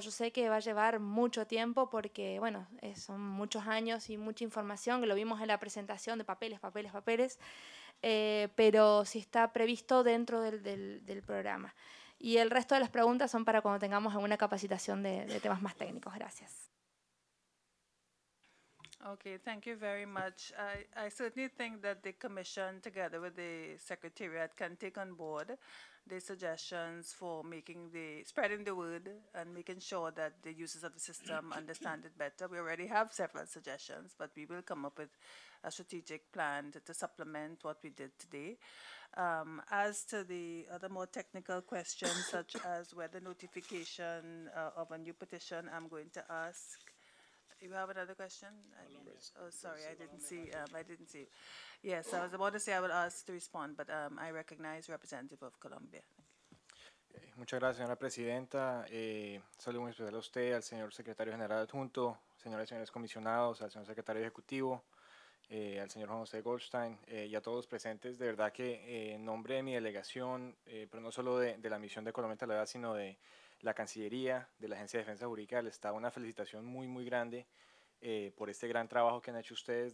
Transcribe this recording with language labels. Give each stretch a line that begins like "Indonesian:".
Spanish: Yo sé que va a llevar mucho tiempo porque, bueno, son muchos años y mucha información, lo vimos en la presentación de papeles, pero si está previsto dentro del programa. Y el resto de las preguntas son para cuando tengamos alguna capacitación de temas más técnicos. Gracias.
English: Okay, thank you very much. I certainly think that the commission, together with the secretariat, can take on board the suggestions for making the spreading the word and making sure that the users of the system understand it better. We already have several suggestions, but we will come up with a strategic plan to supplement what we did today. As to the other more technical questions, such as whether notification of a new petition, I'm going to ask. You have another question? I didn't see. Yes, I was about to say I would ask to respond, but I recognize representative of Colombia.
Spanish: Muchas gracias, señora presidenta. Saludo muy especial a usted, al señor secretario general adjunto, señoras y señores comisionados, al señor secretario ejecutivo, al señor José Goldstein y a todos los presentes. De verdad que en nombre de mi delegación, pero no solo de la misión de Colombia Talidad, sino de la Cancillería, de la Agencia de Defensa Jurídica del Estado, una felicitación muy, muy grande por este gran trabajo que han hecho ustedes.